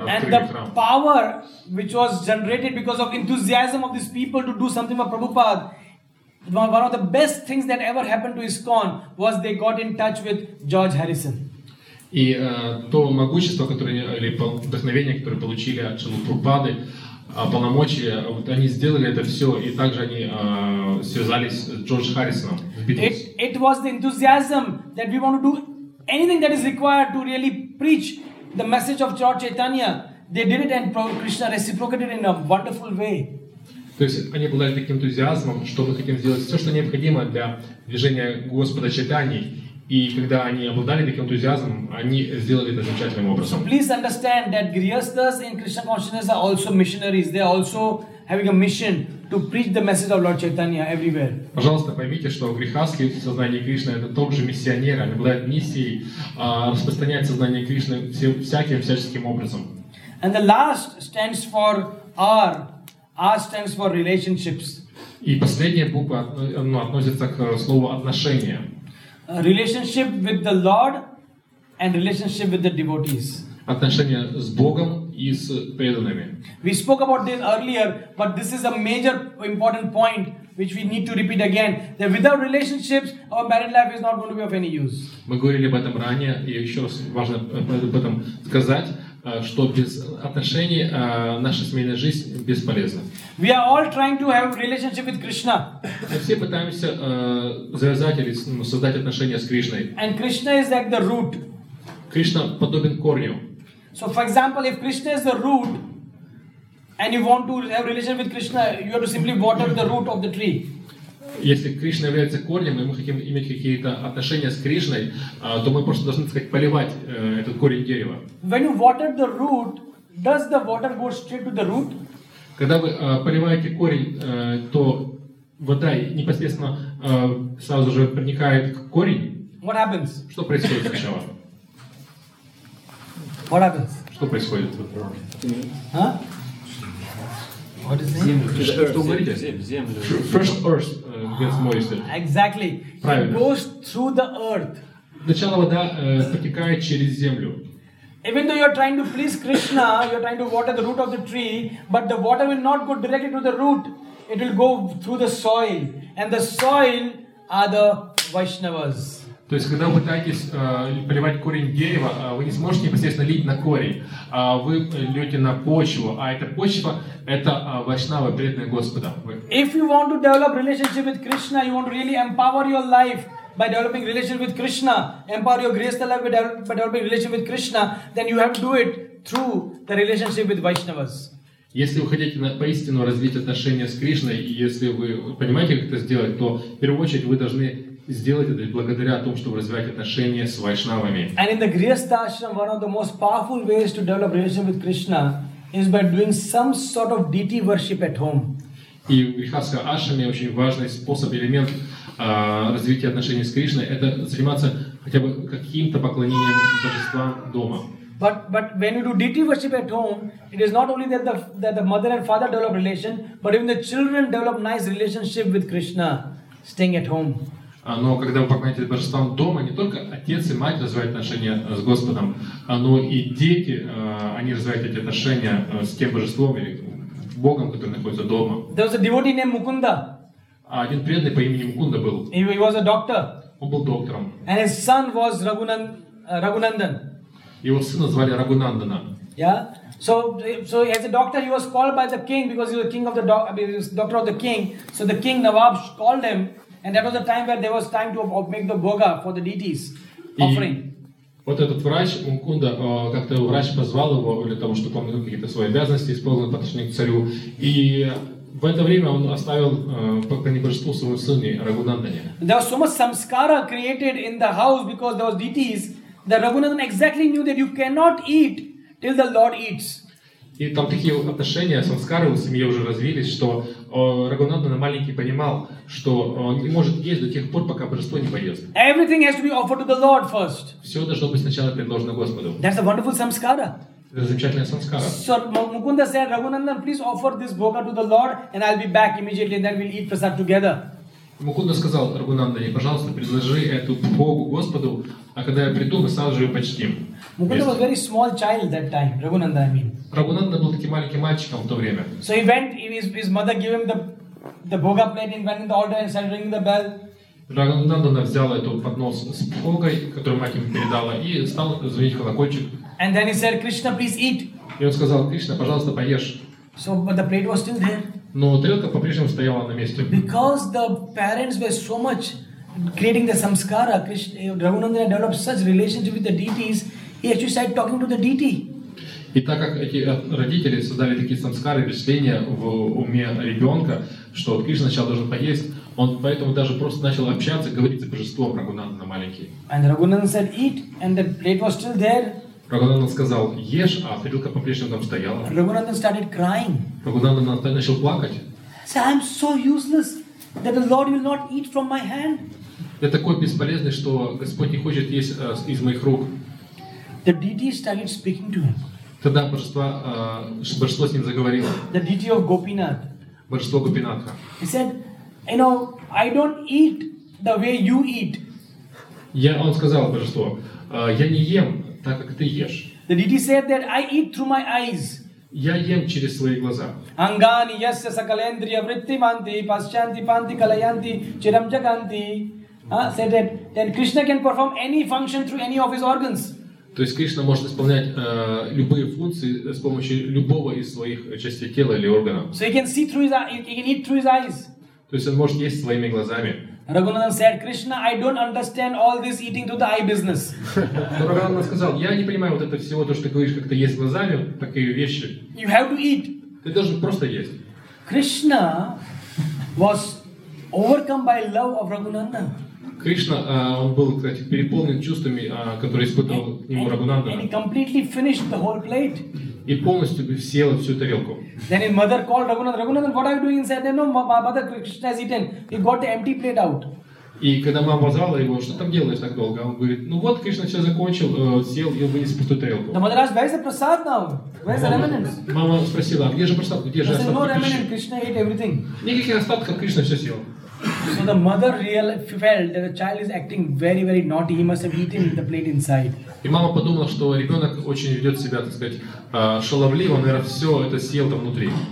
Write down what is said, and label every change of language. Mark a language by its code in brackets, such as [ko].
[en] And the power which was generated because of enthusiasm of these people to do something for Prabhupada. One of the best things that ever happened to ISKCON was they got in touch with George Harrison. [ru] И то могущество, которое или вдохновение, которое получили от Шрилы Прабхупады, полномочия, вот они сделали это все, и также они связались с Джорджем Харрисоном. [en] It was the enthusiasm that we want to do anything that is required to really preach the message of George Chaitanya. They did it, and Krishna reciprocated in a wonderful way. [ru] То есть они обладали таким энтузиазмом, что мы хотим сделать все, что необходимо для движения Господа Чайтаньи. И когда они обладали таким энтузиазмом, они сделали это замечательным образом. [en] So please understand that Grihasthas in Krishna consciousness are also missionaries. They are also having a mission to preach the message of Lord Chaitanya everywhere. [ru] Пожалуйста, поймите, что грихасхи в сознании Кришны — это тоже миссионеры. Они обладают миссией распространять сознание Кришны всяческим образом. [en] And the last stands for R. R stands for relationships. [ru] И последняя буква относится к слову «отношения». [en] Relationship with the Lord and relationship with the devotees. [ru] Отношения с Богом и с преданными. [en] We spoke about this earlier, but this is a major important point which we need to repeat again. That without relationships, our married life is not going to be of any use. [ru] Мы говорили об этом ранее, и еще раз важно об этом сказать, что без отношений наша семейная жизнь бесполезна. [en] We are all trying to have relationship with Krishna. [ru] Мы все пытаемся завязать или создать отношения с Кришной. [en] And Krishna is like the root. [ru] Кришна подобен корню. [en] So for example, if Krishna is the root and you want to have relation with Krishna, you have to simply water the root of the tree. [ru] Если Кришна является корнем, и мы хотим иметь какие-то отношения с Кришной, то мы просто должны, так сказать, поливать этот корень дерева. [en] When you water the root, does the water go straight to the root? [ru] Когда вы поливаете корень, то вода непосредственно сразу же проникает к корень. [en] What happens? [ru] Что происходит сначала? [en] What happens? [ru] Что происходит? [en] What is [ru] земля. [en] First earth gets moisted. Exactly. [ru] Правильно. [en] It goes through the earth. [ru] Сначала вода протекает через землю. [en] Even though you are trying to please Krishna, you are trying to water the root of the tree, but the water will not go directly to the root. It will go through the soil. And the soil are the Vaishnavas. [ru] То есть, когда вы пытаетесь поливать корень дерева, вы не сможете непосредственно лить на корень, а вы льете на почву, а эта почва — это вайшнава, преданная Господа. [en] If you want to develop relationship with Krishna, you want to really empower your life by developing relationship with Krishna, empower your grihastha life by developing relationship with Krishna, then you have to do it through the relationship with Vaishnavas. [ru] Если вы хотите поистину развить отношения с Кришной, и если вы понимаете, как это сделать, то в первую очередь вы должны сделать это благодаря тому, чтобы развивать отношения с вайшнавами. [en] And in the grihastha ashram, one of the most powerful ways to develop relationship with Krishna is by doing some sort of deity worship at home. [ru] И в грихастха ашраме очень важный способ, элемент развития отношений с Кришной — это заниматься хотя бы каким-то поклонением божества дома. [en] But when you do deity worship at home, it is not only that the mother and father develop relation, but even the children develop nice relationship with Krishna staying at home. [ru] Но когда вы поклоняетесь божествам дома, не только отец и мать развивают отношения с Господом, но и дети, они развивают эти отношения с тем божеством или Богом, который находится дома. [en] There was a devotee named Mukunda. [ru] Один преданный по имени Мукунда был. [en] He was a doctor. [ru] Он был доктором. [en] And his son was Raghunandan. [ru] Его сына звали Рагунандана. [en] Yeah. So as a doctor, he was called by the king because he was doctor of the king. So the king Nawab called him. And that was the time where there was time to make the bhoga for the deities offering. [ru] Вот этот врач Мукунда, как-то врач позвал его для того, чтобы он выполнил какие-то свои обязанности, исполнил по отношению к царю. И в это время он оставил поклонение божеству своему сыну Рагунандане. [en] There was so much samskara created in the house because there was deities. The Raghunandan exactly knew that you cannot eat till the Lord eats. [ru] И там такие отношения самскары в семье уже развились, что Рагунандана маленький понимал, что он не может есть до тех пор, пока божество не поест. [en] Everything has to be offered to the Lord first. [ru] Все должно быть сначала предложено Господу. [en] That's a wonderful samskara. [ru] Это замечательная самскара. [en] So Mukunda said, Raghunandan, please offer this bhoga to the Lord and I'll be back immediately and then we'll eat prasad together. [ru] Мукунда сказал Рагунандане, пожалуйста, предложи эту бхогу Господу, а когда я приду, мы сразу же ее почтим. [en] Mukunda was a very small child that time, Raghunandan, I mean. [ru] Рагунандан был таким маленьким мальчиком в то время. [en] So he went, his mother gave him the bhoga plate and went in the altar and started ringing the bell. [ru] Рагунандана взяла эту поднос с бхогой, которую мать ему передала, и стал звонить колокольчик. [en] And then he said, Krishna, please eat. [ru] И он сказал, Кришна, пожалуйста, поешь. [en] So, but the plate was still there. [ru] Но тарелка по-прежнему стояла на месте. [en] Because the parents were so much creating the samskara, Rahunandana developed such relationship with the deities, he actually started talking to the deity. [ru] И так как эти родители создали такие самскары, впечатления в уме ребенка, что Кришна сначала должен поесть, он поэтому даже просто начал общаться, говорить за божеством Рагунандана маленький. [en] And Raghunandan said, eat, and the plate was still there. [ru] Рагунандан сказал, ешь, а тарелка по-прежнему там стояла. [en] Raghunandan started crying. [ru] Рагунандан начал плакать. [en] So I'm so useless that the Lord will not eat from my hand. [ru] Я такой бесполезный, что Господь не хочет есть из моих рук. [en] The deity started speaking to him. [ru] Тогда божество с ним заговорило. [en] The deity of Gopinath. [ru] Божество Гопинатха. [en] He said, you know, I don't eat the way you eat. [ru] Он сказал божество, я не ем так, как ты ешь. [en] The deity said that I eat through my eyes. [ru] Я ем через свои глаза. [sa] Ангани ясса сакалендрия вриттиманти пасчанти панти калаянти чирамджаганти. [en] Said that then Krishna can perform any function through any of his organs. [ru] То есть Кришна может исполнять любые функции с помощью любого из своих частей тела или органов. [en] So he can see through his eyes, he can eat through his eyes. [ru] То есть он может есть своими глазами. [en] Raghunandan said, Krishna, I don't understand all this eating through the eye business. [ru] Raghunandan сказал, я не понимаю вот это всего, то, что ты говоришь, как ты есть глазами, такие вещи. [en] You have to eat. [ru] Ты должен просто есть. [en] Krishna was overcome by love of Raghunandan. [ru] Кришна, он был, кстати, переполнен чувствами, которые испытывал к нему Рагунандана. [en] And he completely finished the whole plate. [ru] И полностью бы съел всю тарелку. [en] Then his mother called Raghunandan. Raghunandan, what are you doing inside there? No, mother, Krishna has eaten. He got the empty plate out. [ru] И когда мама позвала его, что там делаешь так долго? Он говорит, ну вот, Кришна сейчас закончил, съел и вынес пустую тарелку. [en] The mother asked, where is the prasad now? Where is the remnants? [ru] Мама спросила, где же прасад? Где же остатки пищи? [en] No remnant, Krishna ate everything. [ru] Никаких остатков, Кришна все съел. [en] So the mother really felt that the child is acting very, very naughty. He must have eaten the plate inside. [ru] И мама подумала, что ребенок очень ведет себя, так сказать, шаловливо. Он, наверное, все это съел там внутри.